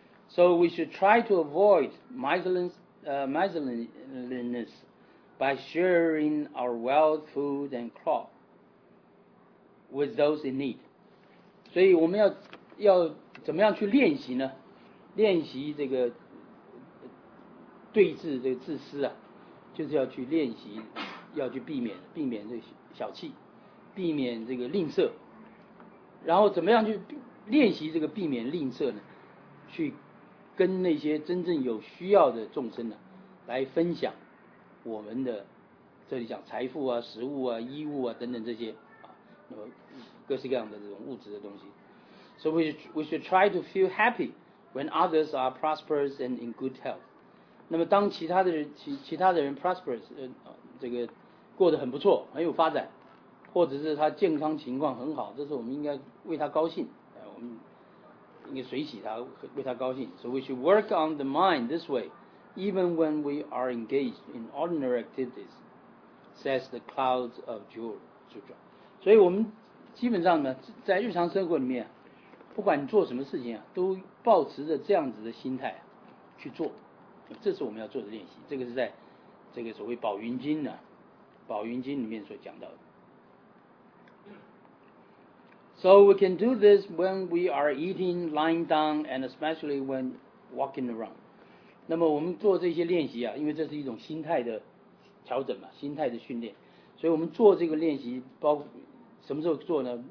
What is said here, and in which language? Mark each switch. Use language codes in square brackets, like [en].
[en] So we should try to avoid miserliness by sharing our wealth, food and cloth with those in need。 [zh] 所以我们要怎么样去练习呢？练习这个对治这个自私啊，就是要去练习，要去避免这个小气，避免这个吝啬。然后怎么样去练习这个避免吝啬呢？去跟那些真正有需要的众生呢、啊、来分享我们的，这里讲财富啊、食物啊、衣物啊等等这些啊，那么各式各样的这种物质的东西。 [en] So we should try to feel happy when others are prosperous and in good health。 [zh] 那么当其他的人 prosperous 这个过得很不错，很有发展，或者是他健康情况很好，这时候我们应该为他高兴，我们应该随喜他，为他高兴。 [en] So we should work on the mind this way even when we are engaged in ordinary activities, says the clouds of jewel sutra。 [zh] 所以我们基本上呢，在日常生活里面，不管你做什么事情啊，都保持着这样子的心态、啊、去做，这是我们要做的练习。这个是在这个所谓宝云经呢，宝云经里面所讲到的。 [en] So we can do this when we are eating, lying down, and especially when walking around。 [zh] 那么我们做这些练习啊，因为这是一种心态的调整嘛，心态的训练，所以我们做这个练习包括什么时候做呢？